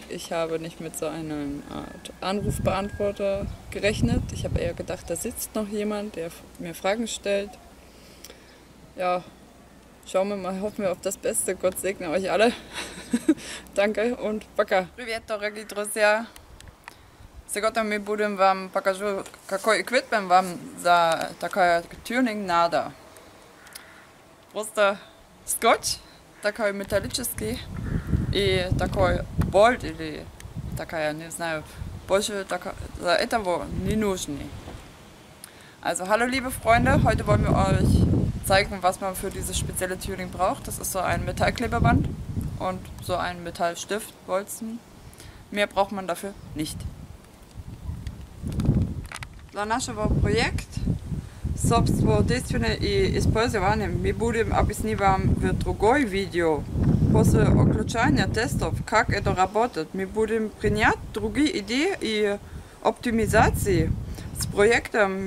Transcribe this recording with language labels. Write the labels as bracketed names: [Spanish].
[German] Ich habe nicht mit so einer Art Anrufbeantworter gerechnet. Ich habe eher gedacht, da sitzt noch jemand, der mir Fragen stellt. Ja, schauen wir mal, hoffen wir auf das Beste. Gott segne euch alle. Danke und [Russian] пока. Привет, дорогие друзья. Сегодня мы будем вам покажу, какой эквипмент вам за такой тюнинг надо. Просто скотч, такой металлический, и такой болт, или такая, не знаю, больше для этого не нужны. [German] Also, hallo liebe Freunde, heute wollen wir euch zeigen, was man für dieses spezielle Tuning braucht. Das ist so ein Metallklebeband und so ein Metallstiftbolzen. Mehr braucht man dafür nicht. [Russian] Для нашего проекта, собственно, действенно и использование, мы будем объяснить вам в другой видео. После окончания тестов, как это работает, мы будем принять другие идеи и оптимизации с проектом.